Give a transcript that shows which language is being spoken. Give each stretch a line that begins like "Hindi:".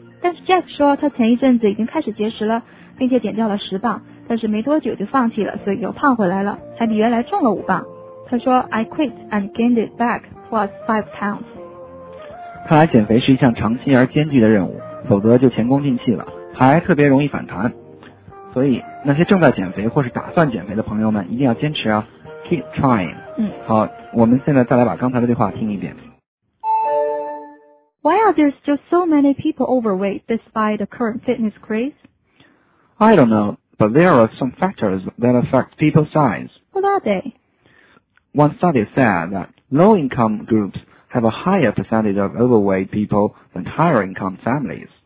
Chinese: 但是 Jack 说他前一阵子已经开始节食了，并且减掉了10磅，但是没多久就放弃了，所以又胖回来了，还比原来重了5磅。他说
English: I quit and gained it back plus 5 pounds.
Chinese: 看来减肥是一项长期而艰巨的任务，否则就前功尽弃了，还特别容易反弹。所以那些正在减肥或是打算减肥的朋友们一定要坚持啊，
English: keep trying。
Chinese: 好，我们现在再来把刚才的对话听一遍。
English: Why are there still so many people overweight despite the current fitness craze? I don't know, but there are some factors that affect people's size. What are they? One study said that low income groups have a higher percentage of overweight people than higher income families.